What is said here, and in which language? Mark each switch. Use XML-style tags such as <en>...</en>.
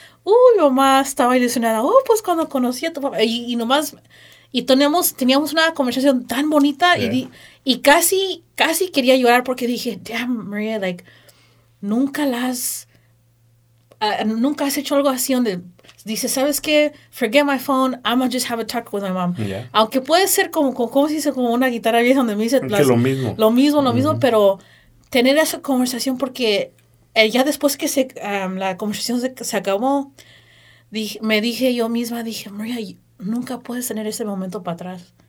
<es>Mi mamá estaba ilusionada. Oh, pues cuando conocí a tu papá. Y nomás, y teníamos una conversación tan bonita.</es> <en>Yeah.</en> <es>Y casi, casi quería llorar porque dije,</es> <en>damn, Maria, like,</en> <es>nunca has hecho algo así donde dices, ¿sabes qué?</es> <en>Forget my phone, I'm gonna just have a talk with my mom. Yeah.</en> <es>Aunque puede ser como si se como una guitarra vieja donde me dice, lo mismo, mm-hmm. pero tener esa conversación porque... ya después que la conversación se acabó, me dije yo misma, María, nunca puedes tener ese momento para atrás.</es>